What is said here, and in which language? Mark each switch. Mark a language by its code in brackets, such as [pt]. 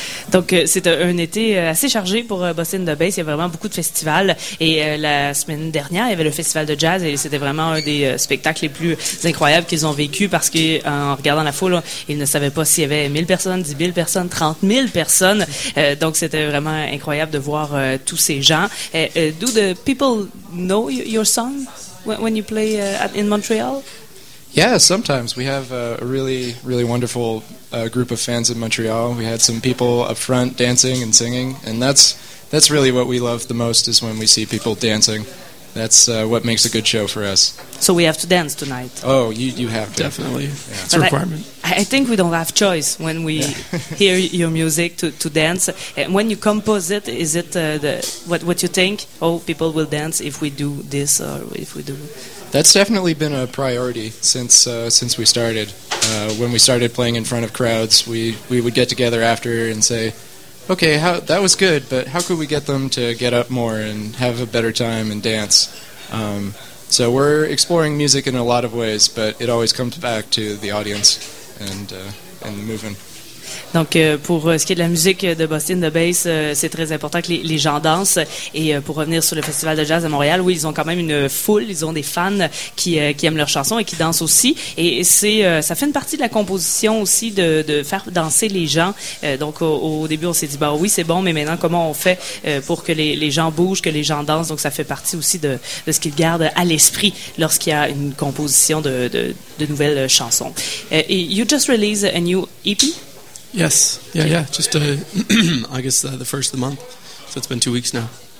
[fr] Donc, c'est un été assez chargé pour Boston de Bass. Il y a vraiment beaucoup de festivals. Et la semaine dernière, il y avait le festival de jazz. Et c'était vraiment un des spectacles les plus incroyables qu'ils ont vécu. Parce qu'en regardant la foule, ils ne savaient pas s'il y avait 1000 personnes, 10 000 personnes, 30 000 personnes. Donc, c'était vraiment incroyable de voir tous ces gens. [en] Do the people know your song when you play in Montreal? Yeah, sometimes. We have a really, really wonderful group of fans in Montreal. We had some people up front dancing and singing, and that's really what we love the most is when we see people dancing. That's what makes a good show for us. So we have to dance tonight. Oh, you have to. Definitely. Yeah. It's a requirement. I think we don't have choice when we hear your music to dance. And when you compose it, is it what you think? Oh, people will dance if we do this or if we do... That's definitely been a priority since we started. When we started playing in front of crowds, we would get together after and say, okay, that was good, but how could we get them to get up more and have a better time and dance? So we're exploring music in a lot of ways, but it always comes back to the audience and the movement. [fr] Donc, pour ce qui est de la musique de Boston de Bass, c'est très important que les gens dansent. Et pour revenir sur le Festival de Jazz à Montréal, oui, ils ont quand même une foule, ils ont des fans qui aiment leurs chansons et qui dansent aussi. Et ça fait une partie de la composition aussi de faire danser les gens. Donc, au début, on s'est dit, oui, c'est bon, mais maintenant, comment on fait pour que les gens bougent, que les gens dansent? Donc, ça fait partie aussi de ce qu'ils gardent à l'esprit lorsqu'il y a une composition de nouvelles chansons. [en] You just released a new EP? Yes, yeah. Just I guess the first of the month, so it's been 2 weeks now.